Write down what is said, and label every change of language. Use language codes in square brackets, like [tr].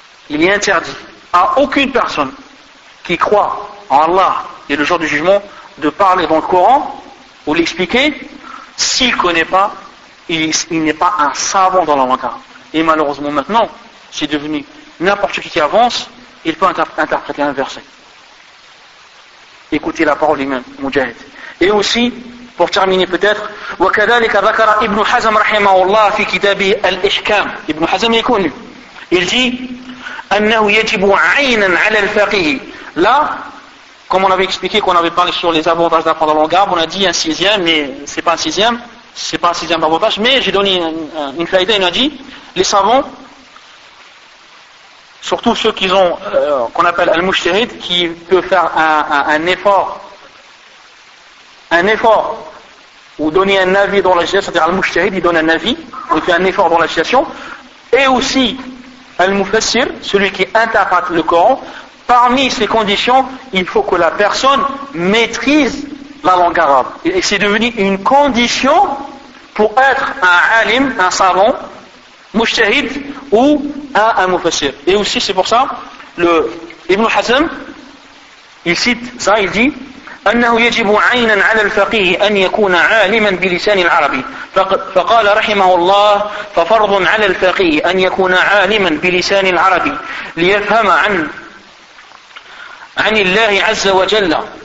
[fr] Il est interdit à aucune personne qui croit en Allah et le jour du jugement de parler dans le Coran ou l'expliquer s'il ne connaît pas, il n'est pas un savant dans la langue arabe. Et malheureusement maintenant, c'est devenu n'importe qui avance, il peut interpréter un verset. Écoutez la parole lui-même, Mujahid. Et aussi, pour terminer peut-être, [ar] وكذلك ذكر ابن حزم رحمه الله في كتابه الإحكام. [fr] Ibn Hazm est connu. Il dit, [ar] أنه يجب عينا على الفقيه. [fr] Là, comme on avait expliqué, qu'on avait parlé sur les avantages d'apprendre la langue arabe, on a dit un sixième, mais c'est pas un sixième avantage, mais j'ai donné une faïda, il a dit, les savants, surtout ceux qui ont qu'on appelle al-mushtahid, qui peut faire un effort ou donner un avis dans la législation, c'est-à-dire al-mushtahid, il donne un avis ou fait un effort dans la législation, et aussi al-mufassir, celui qui interprète le Coran. Parmi ces conditions, il faut que la personne maîtrise la langue arabe, et c'est devenu une condition pour être un alim, un savant mushtahid ou un mufassir. Et aussi, c'est pour ça, le Ibn Hazm, il cite ça, il dit, [ar] أنه يجب عينا على الفقيه أن يكون عالما بلسان العربي. فقال رحمه الله ففرض على الفقيه أن يكون عالما بلسان العربي ليفهم عن الله عز وجل